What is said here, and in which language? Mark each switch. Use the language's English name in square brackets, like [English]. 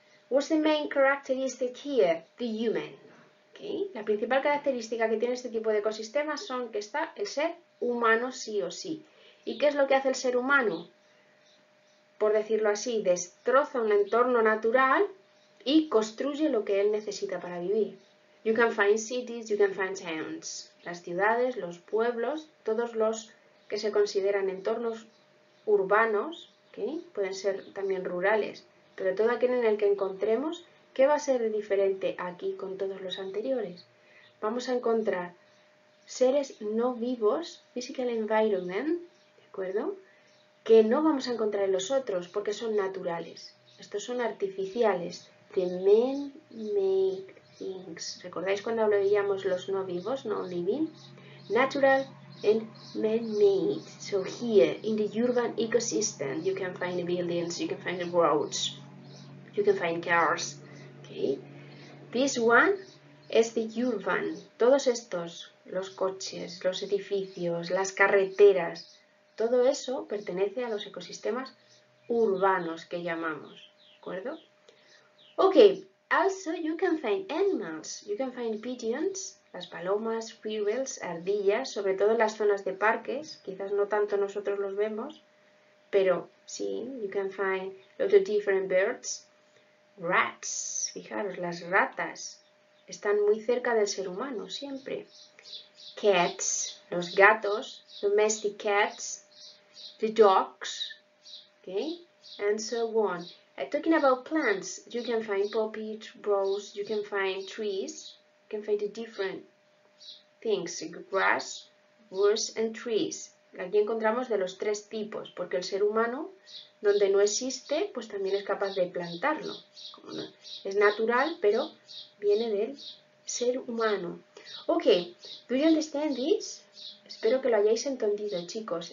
[English] What's the main characteristic here? The human. Okay. [Spanish] La principal característica que tiene este tipo de ecosistemas son que está el ser humano sí o sí. ¿Y qué es lo que hace el ser humano? Por decirlo así, destroza un entorno natural y construye lo que él necesita para vivir. [English] You can find cities, you can find towns. [Spanish] Las ciudades, los pueblos, todos los que se consideran entornos urbanos, ¿okay? Pueden ser también rurales, pero todo aquel en el que encontremos, ¿qué va a ser diferente aquí con todos los anteriores? Vamos a encontrar seres no vivos, [English] physical environment, [Spanish] ¿de acuerdo? Que no vamos a encontrar en los otros porque son naturales. Estos son artificiales. [English] The men make things. [Spanish] ¿Recordáis cuando hablábamos los no vivos, [English] no living? Natural and man-made. So here, in the urban ecosystem, you can find the buildings, you can find the roads, you can find cars, ¿ok? Okay. This one es the urban. [Spanish] Todos estos, los coches, los edificios, las carreteras, todo eso pertenece a los ecosistemas urbanos que llamamos. [English] ¿De acuerdo? Okay. Also, you can find animals. You can find pigeons, [Spanish] las palomas, squirrels, ardillas, sobre todo en las zonas de parques. Quizás no tanto nosotros los vemos, pero sí, [English] you can find lots of different birds. [Spanish] Rats, fijaros, las ratas están muy cerca del ser humano, siempre. [English] Cats, [Spanish] los gatos, [English] domestic cats, the dogs, okay, and so on. Talking about plants, you can find poppy, rose, you can find trees, you can find the different things, grass, roots and trees. [Spanish] Aquí encontramos de los tres tipos, porque el ser humano, donde no existe, pues también es capaz de plantarlo. Es natural, pero viene del ser humano. [English] Ok, do you understand this? [Spanish] Espero que lo hayáis entendido, chicos.